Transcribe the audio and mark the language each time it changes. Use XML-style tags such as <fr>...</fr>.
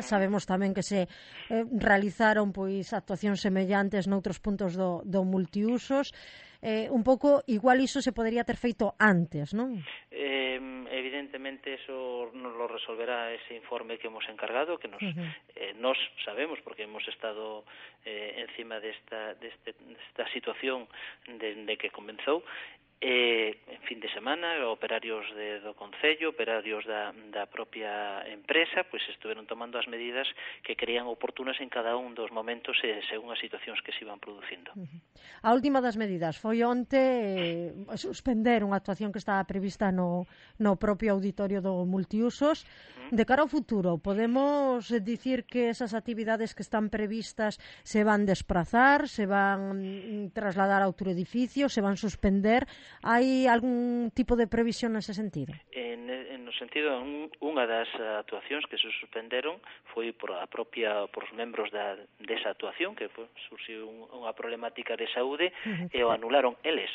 <gl>Sabemos tamén que se realizaron pois actuacións semellantes noutros puntos do multiusos. Un pouco igual iso se podería ter feito antes, non?</gl> <es>Evidentemente eso nos lo resolverá ese informe que hemos encargado, que nos nos sabemos porque hemos estado encima de esta situación desde que comenzó.</es> <gl>En fin de semana, operarios do concello, operarios da propia empresa,</gl> <es>pues estuvieron tomando</es> <gl>as medidas que creían oportunas en cada un dos momentos según as situacións que se</gl> <es>iban produciendo.</es> <gl>A última das medidas foi onte suspender unha actuación que estaba prevista no propio auditorio do multiusos. De cara ao futuro, podemos dicir que esas actividades que están previstas se van desprazar, se van trasladar a outro edificio, se van suspender?</gl> <es>¿Hay algún tipo de previsión en ese sentido? En el sentido,</es> <gl>unha das actuacións que se suspenderon foi por os membros desa actuación, que surxiu unha problemática de saúde, e o anularon eles.</gl>